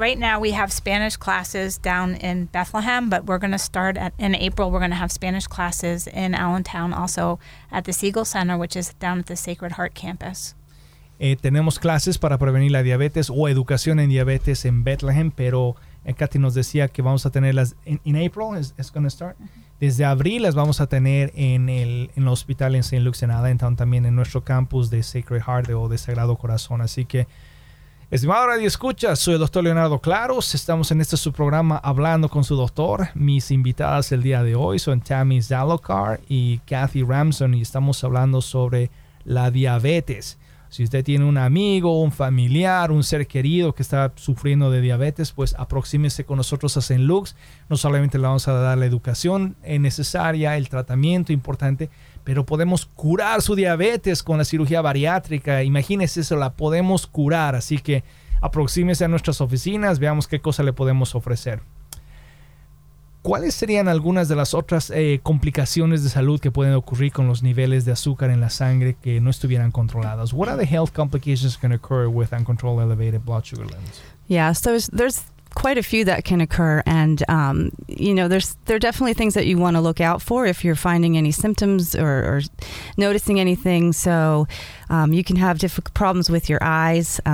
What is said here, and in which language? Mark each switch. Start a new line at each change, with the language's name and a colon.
English: Right now we have Spanish classes down in Bethlehem, but we're going to start in April. We're going to have Spanish classes in Allentown, also at the Siegel Center, which is down at the Sacred Heart campus.
Spanish: Tenemos clases para prevenir la diabetes o educación en diabetes en Bethlehem, pero Kathy nos decía que vamos a tenerlas
English: in April. It's going to start.
Spanish: Desde abril las vamos a tener en el hospital en St. Luke's en Allentown, también en nuestro campus de Sacred Heart o de Sagrado Corazón. Así que, estimado Radio Escucha, soy el doctor Leonardo Claros. Estamos en este su programa Hablando con su Doctor. Mis invitadas el día de hoy son Tammy Zalokar y Kathy Ramson y estamos hablando sobre la diabetes. Si usted tiene un amigo, un familiar, un ser querido que está sufriendo de diabetes, pues aproxímese con nosotros a St. Luke's. No solamente le vamos a dar la educación necesaria, el tratamiento importante, pero podemos curar su diabetes con la cirugía bariátrica. Imagínese eso, la podemos curar. Así que aproxímese a nuestras oficinas, veamos qué cosa le podemos ofrecer. ¿Cuáles serían algunas de las otras complicaciones de salud que pueden ocurrir con los niveles de azúcar en la sangre que no estuvieran controladas?
English: What are the health complications that can occur with uncontrolled elevated blood sugar levels? Yeah, so there's quite a few that can occur, and you know, there are definitely things that you want to look out for if you're finding any symptoms or noticing anything. So you can have problems with your eyes.